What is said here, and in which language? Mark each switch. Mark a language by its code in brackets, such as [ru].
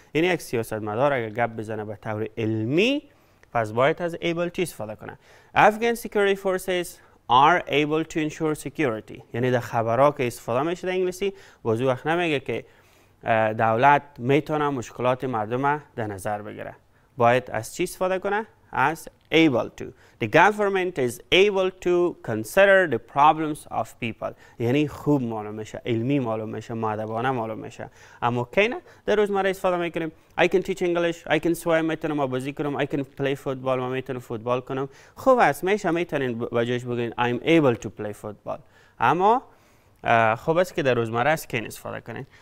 [fa] یعنی یک سیاستمدار اگر گپ بزنه به طور علمی پس باید از able to استفاده کنه. [en] Afghan security forces are able to ensure security. [fa] یعنی در خبرها که استفاده میشه در انگلیسی بازو وقت نمیگه که دولت میتونه مشکلات مردم در نظر بگیره. باید از چی استفاده کنه؟ از able to. [en] The government is able to consider the problems of people. [fa] یعنی خوب معلوم میشه، علمی معلوم میشه، مؤدبانه معلوم میشه. اما کی نه؟ در روزمره استفاده میکنیم. [en] I can teach English. I can swim. [fa] میتونم بازی کنم. [en] I can play football. [fa] من میتونم فوتبال کنم. خوب است. میشه میتونین بجاش بگین [en] I'm able to play football. [fa] اما خوب است که در روزمره از کی استفاده کنین.